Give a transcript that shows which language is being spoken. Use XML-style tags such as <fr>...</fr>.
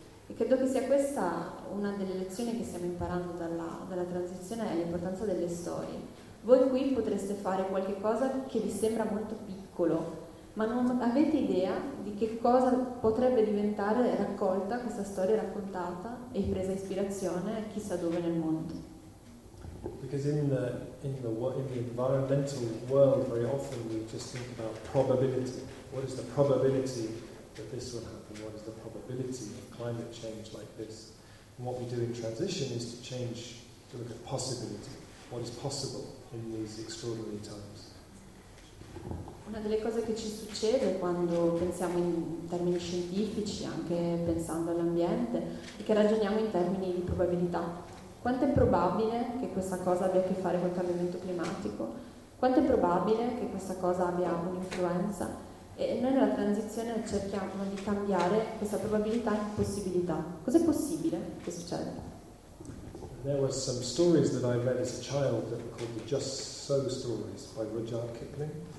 <it>E credo che sia questa una delle lezioni che stiamo imparando dalla transizione, è l'importanza delle storie. Voi qui potreste fare qualche cosa che vi sembra molto piccolo, ma non avete idea di che cosa potrebbe diventare raccolta questa storia, raccontata e presa ispirazione chissà dove nel mondo.</it> <en>Because in the environmental world, very often we just think about probability. What is the probability that this will happen? What is the probability of climate change like this? And what we do in transition is to change, to look at possibility. What is possible in these extraordinary times?</en> <it>Una delle cose che ci succede quando pensiamo in termini scientifici, anche pensando all'ambiente, è che ragioniamo in termini di probabilità. Quanto è probabile che questa cosa abbia a che fare col cambiamento climatico? Quanto è probabile che questa cosa abbia un'influenza? E noi nella transizione cerchiamo di cambiare questa probabilità in possibilità. Cos'è possibile che succeda?</it> <en>There were some stories that I read as a child that were called the Just So Stories by Rudyard Kipling.</en>